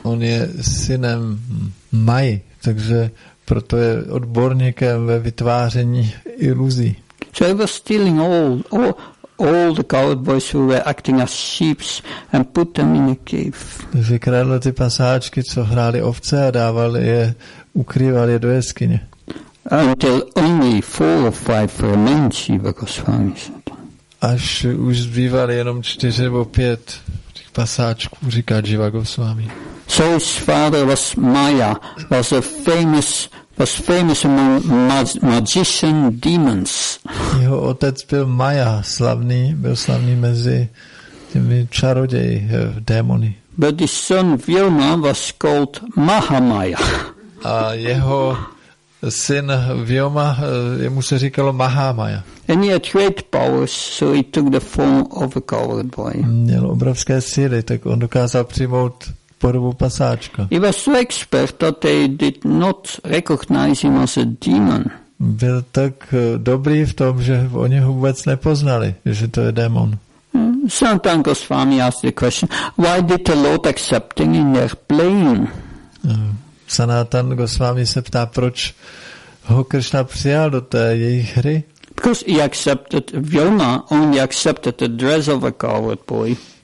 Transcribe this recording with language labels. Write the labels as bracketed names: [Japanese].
[Czech] On je synem Maji, takže proto je odborníkem ve vytváření iluzí. [English] So he was stealing all the coward boys who were acting as sheep and put them in a cave. [Czech] Takže kradl ty pasáčky, co hráli ovce a dávali je, ukrýval je do jeskyně. [English] Until only four or five remained, Shiva Goswami said. [Czech] Až už zbývali jenom čtyři nebo pět těch pasáčků, říká Shiva Goswami. [English] So his father was Maya, was famous among magician demons. [Czech] Jeho otec byl Maya, slavný, byl slavný mezi těmi čaroději, démony. [English] But his son Vilma was called Mahamaya. [Czech] A jeho syn Vyoma, jemu se říkalo Mahamaya. [English] And he had great powers, so he took the form of a coward boy. [Czech] Měl obrovské síly, tak on dokázal přijmout podobu pasáčka. [English] He was so expert that they did not recognize him as a demon. [Czech] Byl tak dobrý v tom, že oni ho vůbec nepoznali, že to je démon. [English] Sometimes Goswami asked the question, why did the Lord accepting in their playing? [Czech] Sanatan Goswami se ptá, proč ho Krishna přijal do té jejich hry? [English] Because he accepted, Vyoma only accepted the dress of a coward boy.